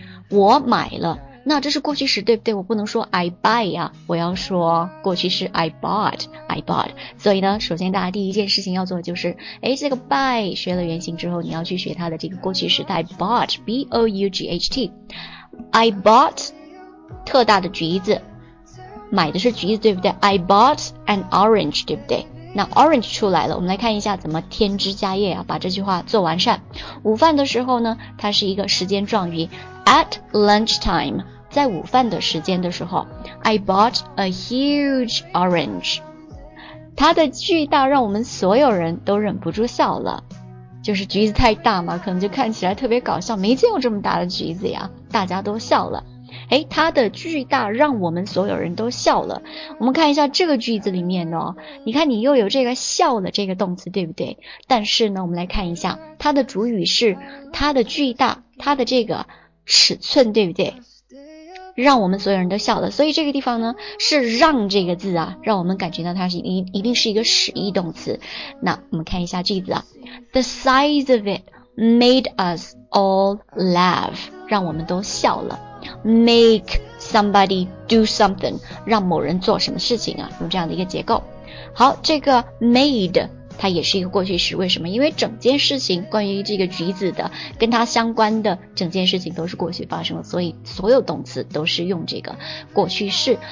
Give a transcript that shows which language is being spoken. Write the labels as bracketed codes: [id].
[zh] 我买了，那这是过去时，对不对？我不能说 [en] I buy [zh] 啊，我要说过去式 [en] I bought。 [zh] 所以呢，首先大家第一件事情要做的就是，诶，这个 buy 学了原型之后，你要去学它的这个过去时态 bought, B-O-U-G-H-T。 [en] I bought [zh] 特大的橘子，买的是橘子，对不对？ [en] I bought an orange, 对不对？ [zh] 那 orange 出来了，我们来看一下怎么添枝加叶啊，把这句话做完善。午饭的时候呢，它是一个时间状语。 [en] At lunchtime, [zh] 在午饭的时间的时候， [en] I bought a huge orange. [zh] 它的巨大让我们所有人都忍不住笑了。就是橘子太大嘛，可能就看起来特别搞笑，没见过这么大的橘子呀，大家都笑了。诶，它的巨大让我们所有人都笑了。我们看一下这个句子里面哦，你看你又有这个笑了这个动词，对不对？但是呢，我们来看一下，它的主语是它的巨大，它的这个尺寸，对不对？让我们所有人都笑了，所以这个地方呢是让这个字啊，让我们感觉到它是一定是一个使役动词。那我们看一下句子啊， [en] The size of it made us all laugh, [zh] 让我们都笑了。 [en] Make somebody do something, [zh] 让某人做什么事情啊，用这样的一个结构。好，这个 made它也是一个过去时，为什么？因为整件事情关于这个橘子的跟它相关的整件事情都是过去发生的，所以所有动词都是用这个过去式。